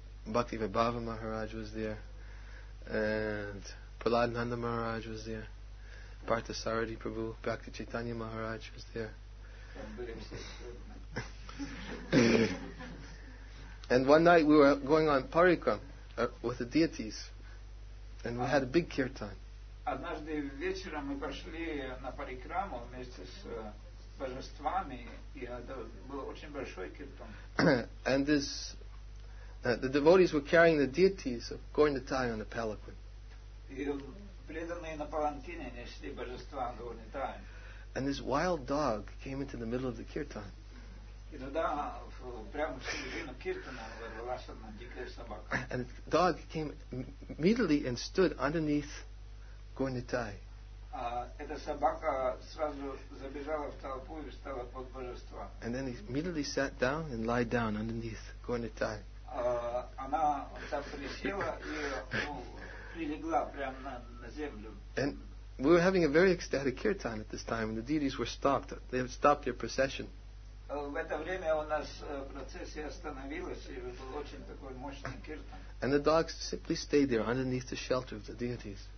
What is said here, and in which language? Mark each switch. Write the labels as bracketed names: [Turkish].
[English] Bhakti Vibhava Maharaj was there, and Prahlad Nanda Maharaj was there, Parthasarathi Prabhu, Bhakti Chaitanya Maharaj was there. And one night we were going on parikram with the deities, and we had a big kirtan. [Russian] Однажды вечером мы пошли на парикраму вместе с божествами, и это был очень большой киртан. [English] And this, the devotees were carrying the deities of Горна Тай on a palanquin. [Russian] И преданные на палантине несли божества Горна Тай. [English] And this wild dog came into the middle of the kirtan. [Russian] И тогда прямо в середину киртана вырвалась одна дикая собака. [English] And the dog came immediately and stood underneath Горнитай. [Russian] Эта собака сразу забежала в толпу и встала под божество. [English] And then he immediately sat down and lied down underneath Горнитай. [Russian] Она там присела и прилегла прямо на землю. [English] And we were having a very ecstatic kirtan at this time, and the deities were stopped. They had stopped their procession. [Russian] В это время у нас процессия остановилась, и был очень такой мощный киртан. [English] And the dogs simply stayed there underneath the shelter of the deities.